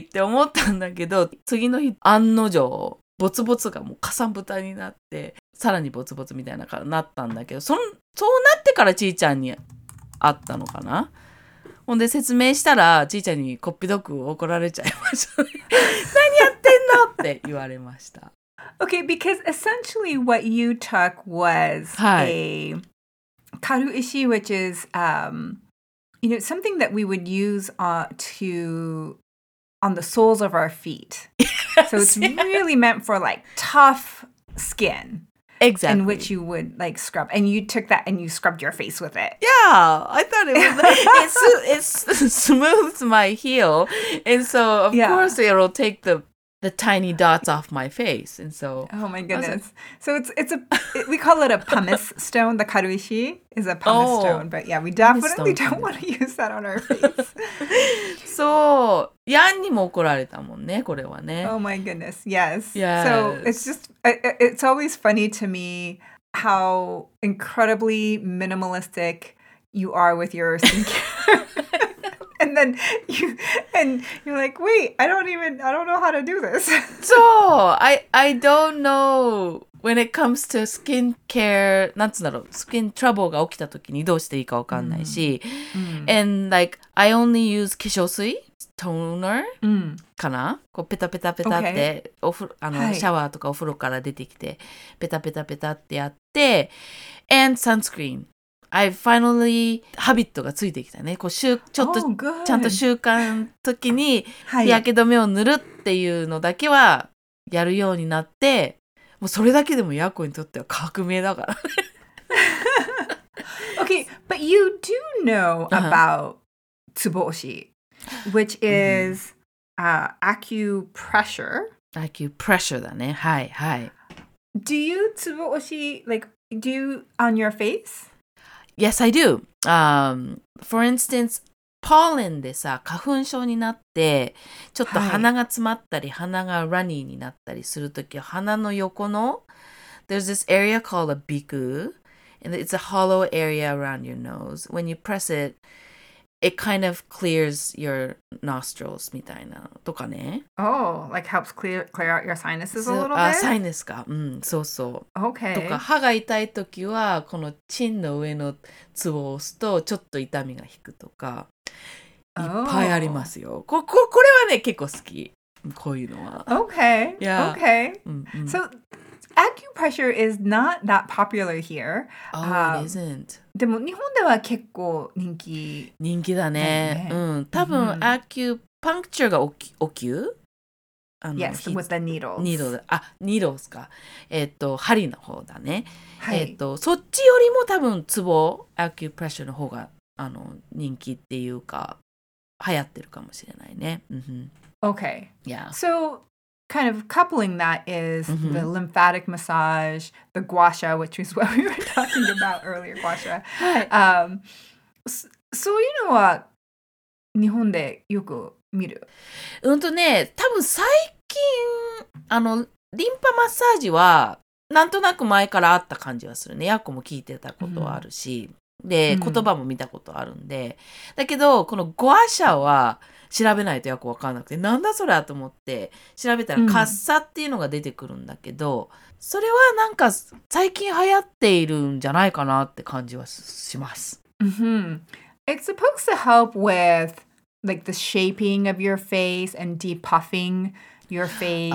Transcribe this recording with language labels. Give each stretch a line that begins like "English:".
Japanese: って思ったんだけど、次の日、案の定、ボツボツがもうかさぶたになって、さらにボツボツみたいな感じになったんだけど、そうなってからちーちゃんに会ったのかな? ほんで説明したら、ちーちゃんにこっぴどく怒られちゃいましたね。何やってんのって言われました。
English: Okay, because essentially what you took was a karuishi, which is, you know, something that we would use on the soles of our feet. So it's really meant for like tough skin. Exactly. In which you would like scrub. And you took that and you scrubbed your face with it. Yeah, I thought it was. It smooths my heel. And so, of course, it'll take the tiny dots off my face. And so. Oh my goodness. So we call it a pumice stone. The karuishi is a pumice stone. But yeah, we definitely don't want to use that on our face.
Japanese: So, ヤンにも怒られたもんね、これはね。
English: Oh my goodness, yes. Yes. So, it's always funny to me how incredibly minimalistic you are with your skincare. And then you're like, wait, I don't know how to do this. So, I don't know when it comes to skin care,
Japanese: なんつうんだろう、
English: skin trouble
Japanese: が起きた時にどうしていいかわかんないし。
English: And like, I only use
Japanese: 化粧水、toner、かな、こうペタペタペタって、シャワーとかお風呂から出てきて、ペタペタペタってやって、
English: and sunscreen. I finally
Japanese: ハビットがついてきたね。こうちょっと、ちゃんと習慣の時に日焼け止めを塗るっていうのだけはやるようになって、もうそれだけでもヤコにとっては革命だから、ね。
English: Okay, but you do know about ツボ押し、which is acupressure.
Japanese: Acupressure だね。はいはい。
English: Do you ツボ押し like do you on your face? Yes, I do. For instance,
Japanese: ポーレンでさ、花粉症になって、ちょっと鼻が詰まったり、はい、鼻がラニーになったりするとき、鼻の横の、
English: there's this area called a biku, and it's a hollow area around your nose. When you press it, it kind of clears your nostrils,
Japanese: みたいな、とかね。
English: Oh, like helps clear out your sinuses a little bit?
Japanese: あ、サイネスか。うん、そうそう。
English: Okay.
Japanese: とか、歯が痛いときは、このチンの上のツボを押すと、ちょっと痛みが引くとか、いっぱいありますよ。 Oh. これはね、結構好き。こういうのは。
English: Okay. Yeah. Okay. So, acupressure is not that popular here. Oh, it isn't.
Japanese: でも日本では結構人気。人気だね。うん。多分、acupuncture がお灸?
English: Yes, with the needles.
Japanese: Needles か。針の方だね。はい。そっちよりも多分、ツボ、acupressure の方が人気っていうか、流行ってるかもしれないね。
English: Okay. Yeah. So, kind of coupling that is the lymphatic massage, the gua sha, which is what we were talking about earlier, gua sha.
Japanese: そういうのは日本でよく見る。ね、多分最近、リンパマッサージはなんとなく前からあった感じはするね。ヤコも聞いてたことはあるし。で、言葉も見たことあるんで。だけど、このゴアシャは調べないとよくわかんなくて、なんだそれと思って調べたら、カッサっていうのが出てくるんだけど、それはなんか最近流行っているんじゃないかなって感じはします。
English: It's supposed to help with, like, the shaping of your face and depuffing your face.